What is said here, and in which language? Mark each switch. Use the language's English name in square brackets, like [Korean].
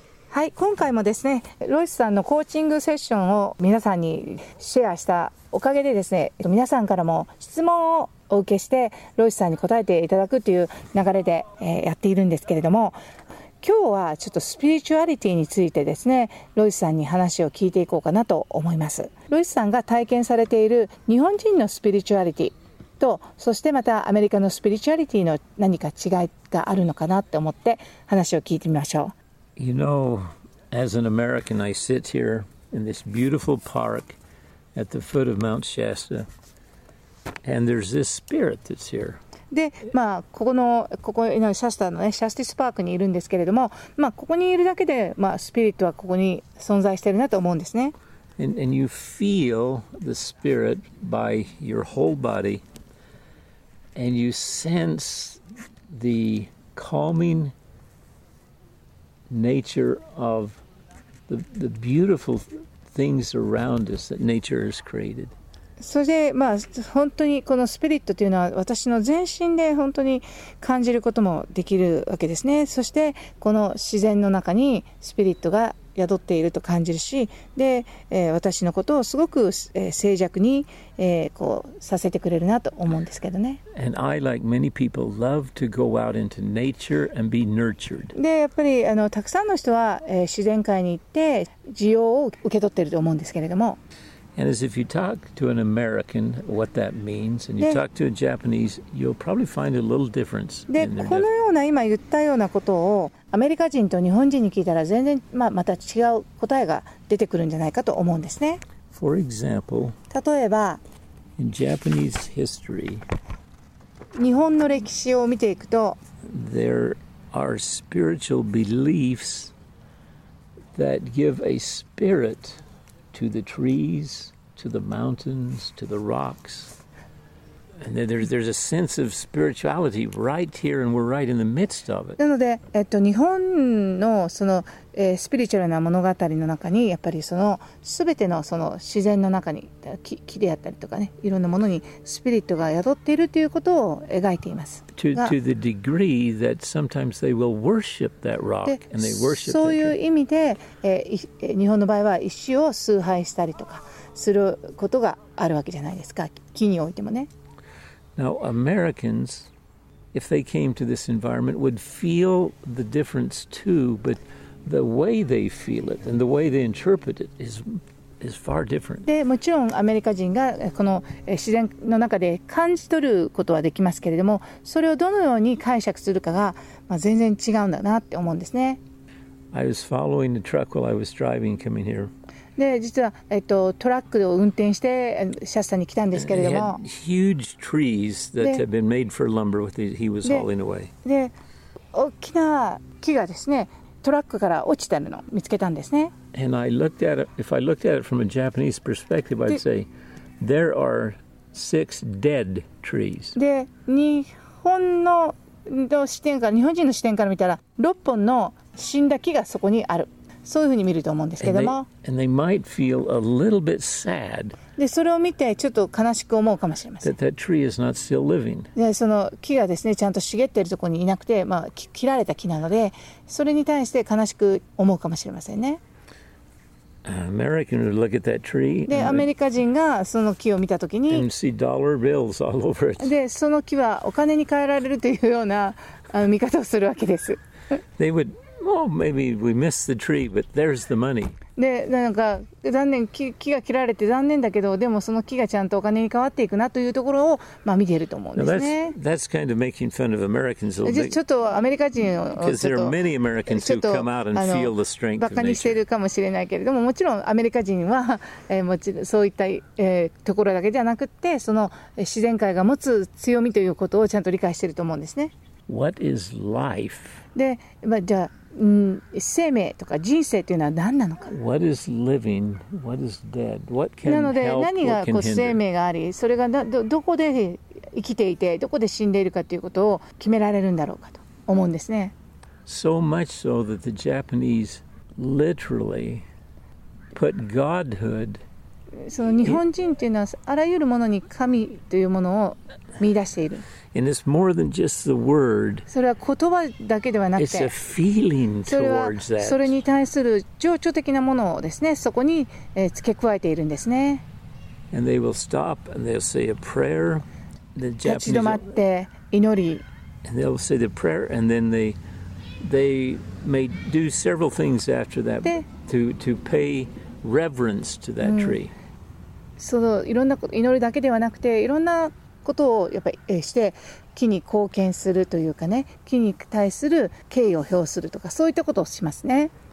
[Japanese] はい、今回もですね、ロイスさんのコーチングセッションを皆さんにシェアしたおかげでですね、皆さんからも質問をお受けしてロイスさんに答えていただくという流れで、やっているんですけれども、今日はちょっとスピリチュアリティについてですね、ロイスさんに話を聞いていこうかなと思います。ロイスさんが体験されている日本人のスピリチュアリティと、そしてまたアメリカのスピリチュアリティの何か違いがあるのかなって思って話を聞いてみましょう。 [English] You know, as an American, I sit here in this beautiful park at the foot of Mount Shasta, and there's this spirit that's here. [Japanese] で、まあ、ここのシャスタのね、シャスティスパークにいるんですけれども、まあ、ここにいるだけで、まあ、スピリットはここに存在してるなと思うんですね。 [English] And you feel the spirit by your whole body, and you sense the calming nature of the beautiful things around us that nature has created. [Japanese] それで、まあ、本当にこのスピリットというのは私の全身で本当に感じることもできるわけですね。そしてこの自然の中にスピリットが宿っていると感じるし、で、私のことをすごく、静寂に、こうさせてくれるなと思うんですけどね。 [English] And I, like many people, love to go out into nature and be nurtured. [Japanese] で、やっぱりたくさんの人は、自然界に行って滋養を受け取っていると思うんですけれども。 [English] And as if you talk to an American what that means, and you talk to a Japanese, you'll probably find a little difference. [Japanese] で、このような今言ったようなことをアメリカ人と日本人に聞いたら全然、まあ、また違う答えが出てくるんじゃないかと思うんですね。 [English] For example, [Japanese] 例えば、 [English] in Japanese history, [Japanese] 日本の歴史を見ていくと、 [English] there are spiritual beliefs that give a spirit to the trees, to the mountains, to the rocks. And there's a sense of spirituality right here, and we're right in the midst of it. [Japanese] なので、日本のその、スピリチュアルな物語の中に、やっぱりその全てのその自然の中に、木であったりとかね、いろんなものにスピリットが宿っているということを描いています。 [English] To the degree that sometimes they will worship that rock and they worship [Japanese] そういう意味で、日本の場合は石を崇拝したりとかすることがあるわけじゃないですか。木においてもね。 [English] Now, Americans, if they came to this environment, would feel the difference too, but the way they feel it and the way they interpret it is far different. [Japanese] で、もちろんアメリカ人がこの自然の中で感じ取ることはできますけれども、それをどのように解釈するかが、まあ、全然違うんだなって思うんですね。 [English] I was following the truck while I was driving coming here. [Japanese] で、実は、トラックを運転してシャスタに来たんですけれども、 [English] huge trees that had been made for lumber with he was hauling away. [Japanese] で、大きな木がですね、トラックから落ちてるのを見つけたんですね。 [English] And I looked at it, if I looked at it from a Japanese perspective, I'd say, there are six dead trees. [Japanese] で、日本の視点から、日本人の視点から見たら、6本の死んだ木がそこにある。そういうふうに見ると思うんですけども、でそれを見てちょっと悲しく思うかもしれません。 [English] That tree is not still living. [Japanese] でその木がですね、ちゃんと茂っているところにいなくて、まあ、切られた木なので、それに対して悲しく思うかもしれませんね。 [English] American would look at that tree. [Japanese] でアメリカ人がその木を見たときに、 [English] and see dollar bills all over it. [Japanese] でその木はお金に変えられるというような見方をするわけです。 [English] They would Well, maybe we missed the tree, but there's the money. [Japanese] で、なんか残念、木が切られて残念だけど、でもその木がちゃんとお金に変わっていくなというところを、まあ、見ていると思うんですね。 [English] That's kind of making fun of Americans a little bit. [Japanese] ちょっとアメリカ人をちょっと、バカにしているかもしれないけれども、もちろんアメリカ人は、もちろんそういった、ところだけじゃなくて、その自然界が持つ強みということをちゃんと理解していると思うんですね。 [English] What is life? [Japanese] で、まあ、じゃあ、生命とか人生というのは何なのか。 [English] What is living? What is dead? What can help? [Japanese] なので何がこう生命があり、それが どこで生きていて、どこで死んでいるかということを決められるんだろうかと思うんですね。 [English] So much so that the Japanese literally put godhood. [Japanese] その日本人というのはあらゆるものに神というものを見出している。 [English] And it's more than just the word. [Japanese] それは言葉だけではなくて、 [English] it's a feeling towards that. [Japanese] それはそれに対する情緒的なものをですね、そこに付け加えているんですね。 [English] And they will stop and they'll say a prayer. The Japanese [Japanese] 立ち止まって祈り。 [English] And they'll say the prayer and then they may do several things after that to pay reverence to that tree. [Japanese] そのいろんな祈りだけではなくて、いろんなことをやっぱりして木に貢献するというかね、木に対する敬意を表するとか、そういったことをしますね。